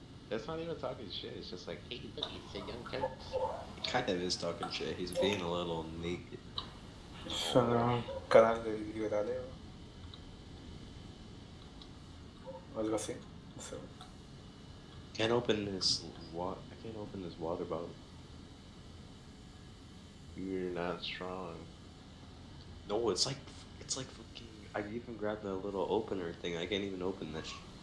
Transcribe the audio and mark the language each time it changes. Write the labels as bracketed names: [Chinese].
[English] That's not even talking shit, it's just like, hey, look, it's a young cat. He kind of is talking shit, he's being a little naked. [Spanish] Sonó un canal de Liberale o algo así. No sé. [English] Can't open this I can't open this water bottle. You're not strong. No, it's like fucking, I even grabbed the little opener thing, I can't even open this.